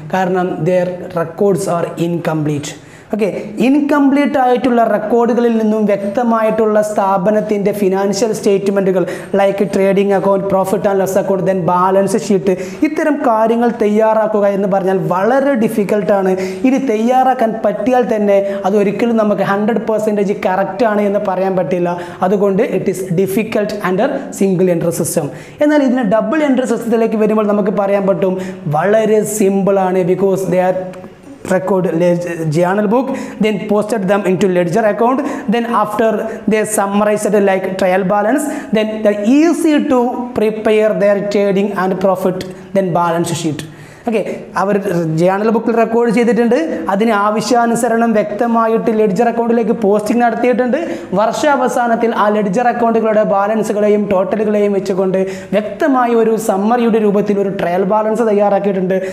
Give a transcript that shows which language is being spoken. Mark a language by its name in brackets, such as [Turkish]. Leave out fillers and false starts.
[Malayalam] കാരണം [English] Their records are incomplete. [Malayalam] Okay, incomplete ആയിട്ടുള്ള റെക്കോർഡുകളിൽ നിന്നും വ്യക്തമായിട്ടുള്ള സ്ഥാപനത്തിൻ്റെ financial സ്റ്റേറ്റ്മെൻറ്റുകൾ like trading account, profit and loss account, then balance sheet, ഇത്തരം കാര്യങ്ങൾ തയ്യാറാക്കുക എന്ന് പറഞ്ഞാൽ വളരെ ഡിഫിക്കൽട്ടാണ്. ഇത് തയ്യാറാക്കാൻ പറ്റിയാൽ തന്നെ അത് ഒരിക്കലും നമുക്ക് 100% കറക്റ്റാണ് എന്ന് പറയാൻ പറ്റില്ല. അതുകൊണ്ട് [English] It is difficult under single entry system. [Malayalam] എന്നാൽ ഇതിന് ഡബിൾ എൻട്രി സിസ്റ്റത്തിലേക്ക് വരുമ്പോൾ നമുക്ക് പറയാൻ പറ്റും വളരെ സിമ്പിളാണ്. [English] Because the record journal book, then posted them into ledger account, then after they summarized it like trial balance, then they're easy to prepare their trading and profit, then balance sheet. [Malayalam] Okay, our journal ബുക്കിൽ record ചെയ്തിട്ടുണ്ട്, അതിന് ആവശ്യാനുസരണം വ്യക്തമായിട്ട് ledger അക്കൗണ്ടിലേക്ക് posting നടത്തിയിട്ടുണ്ട്. വർഷാവസാനത്തിൽ ആ ledger അക്കൗണ്ടുകളുടെ ബാലൻസുകളെയും ടോട്ടലുകളെയും വെച്ചുകൊണ്ട് വ്യക്തമായ ഒരു സമ്മറിയുടെ രൂപത്തിൽ ഒരു ട്രയൽ ബാലൻസ് തയ്യാറാക്കിയിട്ടുണ്ട്.